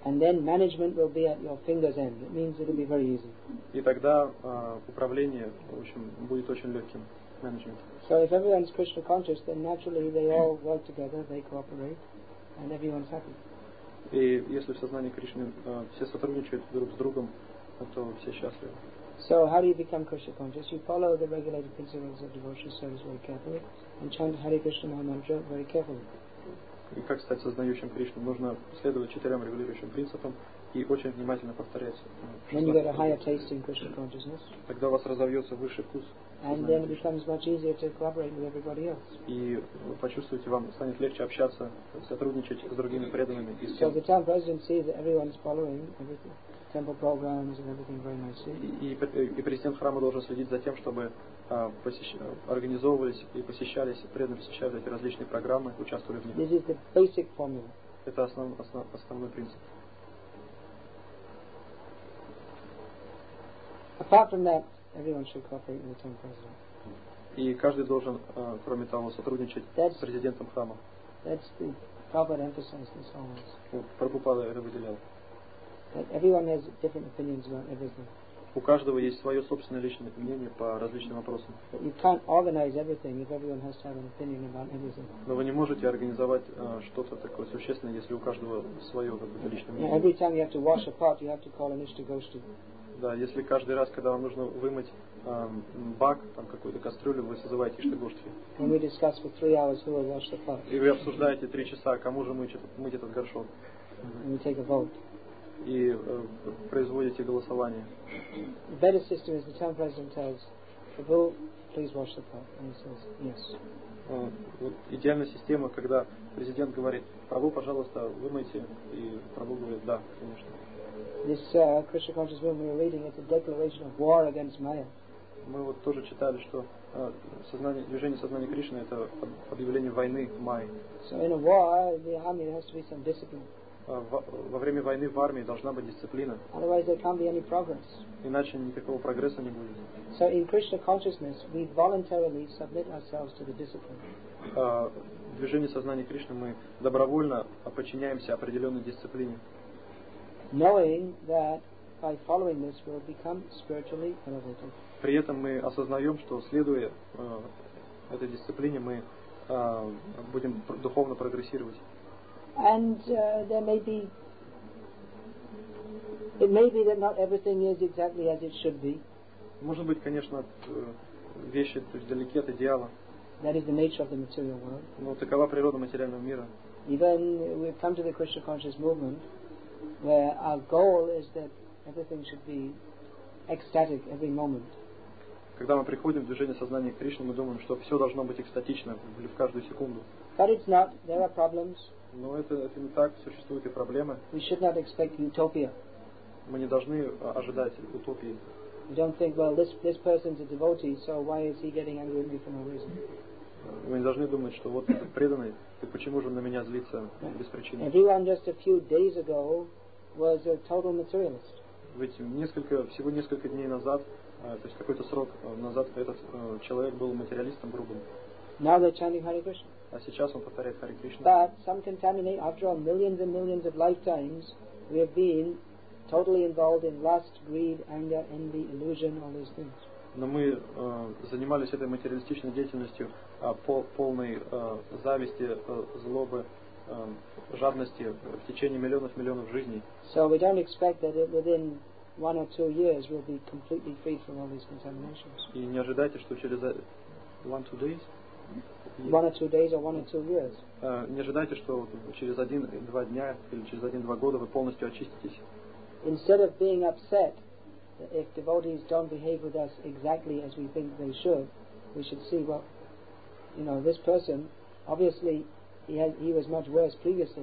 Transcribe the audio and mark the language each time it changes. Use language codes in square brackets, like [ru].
[en] And then management will be at your finger's end. It means it'll be very easy. [ru] И тогда управление, в общем, будет очень легким. Management. [en] So if everyone's Krishna conscious, then naturally they all work together, they cooperate, and everyone's happy. [ru] И если в сознании Кришны все сотрудничают друг с другом, то все счастливы. [en] So how do you become Krishna conscious? You follow the regulated principles of devotional service very carefully and chant Hare Krishna mantra very carefully. [ru] И как стать сознающим Кришну? Нужно следовать четырем регулирующим принципам и очень внимательно повторять. [en] Then you get a higher taste in Krishna consciousness. [ru] Тогда у вас разовьется высший вкус. [en] And then it becomes much easier to collaborate with everybody else. [ru] И вы почувствуете, вам станет легче общаться, сотрудничать с другими преданными. [en] So the town president sees that everyone is following everything. Temple programs and everything very nicely. [ru] И президент храма должен следить за тем, чтобы организовывались и посещались, преданные посещали эти различные программы, участвовали в них. [en] This is the basic formula. [ru] Это основной принцип. [en] Apart from that, everyone should cooperate with the temple president. [ru] И каждый должен, кроме того, сотрудничать с президентом храма. [en] That's the Prabhupada emphasized this always. [ru] Прабхупада это выделял. [en] That everyone has different opinions about everything. [ru] У каждого есть свое собственное личное мнение по различным вопросам. [en] But you can't organize everything if everyone has to have an opinion about everything. [ru] Но вы не можете организовать что-то такое существенное, если у каждого свое какое-то личное мнение. [en] Yeah, every time you have to wash a pot, you have to call an ishtagoshti. [ru] Да, если каждый раз, когда вам нужно вымыть бак, там какую-то кастрюлю, вы созываете ishtagoshti. [en] And we discuss for 3 hours who will wash the pot. [ru] И вы обсуждаете 3 часа, кому же мыть этот горшок. [en] And we take a vote. [ru] И производите голосование. [en] The better system is the town president tells Prabhu, Please watch the Pope. And he says, yes. [ru] Вот идеальная система, когда президент говорит, Прабу, пожалуйста, вымойте, и Прабу говорит, да, конечно. [en] This Krishna conscious movement we're reading, it's a declaration of war against Maya. [ru] Мы вот тоже читали, что сознание, движение сознания Кришны — это объявление войны Майи. [en] So in a war, the army has to be some discipline. [ru] Во время войны в армии должна быть дисциплина. [en] Otherwise there can't be any progress. [ru] Иначе никакого прогресса не будет. [en] So in Krishna consciousness, we voluntarily submit ourselves to the discipline. [ru] В движении сознания Кришны мы добровольно подчиняемся определенной дисциплине. [en] Knowing that by following this, we'll become spiritually elevated. [ru] При этом мы осознаем, что следуя этой дисциплине, мы будем духовно прогрессировать. [en] And there may be, it may be that not everything is exactly as it should be. [ru] Может быть, конечно, вещи далеки от идеала. [en] That is the nature of the material world. [ru] Но такова природа материального мира. [en] Even we've come to the Krishna conscious movement, where our goal is that everything should be ecstatic every moment. [ru] Когда мы приходим в движение сознания Кришны, мы думаем, что все должно быть экстатично в каждую секунду. [en] But it's not. There are problems. [ru] Но это не так, существуют и проблемы. [en] We should not expect utopia. [ru] Мы не должны ожидать утопии. [en] We don't think, well, this person's a devotee, so why is he getting angry with me for no reason? [ru] Мы не должны думать, что вот этот преданный, ты почему же на меня злится без причины? [en] Everyone just a few days ago was a total materialist. [ru] Ведь всего несколько дней назад, то есть какой-то срок назад, этот человек был материалистом грубым. [en] Now they're chanting Hare Krishna. [ru] А сейчас он повторяет Харе Кришна. [en] But some contaminate, after all, millions and millions of lifetimes, we have been totally involved in lust, greed, anger, envy, illusion, all these things. [ru] Но мы занимались этой материалистичной деятельностью полной зависти, злобы, жадности в течение миллионов жизней. [en] So we don't expect that within one or two years we'll be completely free from all these contaminations. [ru] И не ожидайте, что через [en] one, two days. One or two days or one or two years. [ru] Не ожидайте, что через 1-2 дня или через 1-2 года вы полностью очиститесь. [en] Instead of being upset if devotees don't behave with us exactly as we think they should, we should see, well, you know, this person, obviously, he was much worse previously.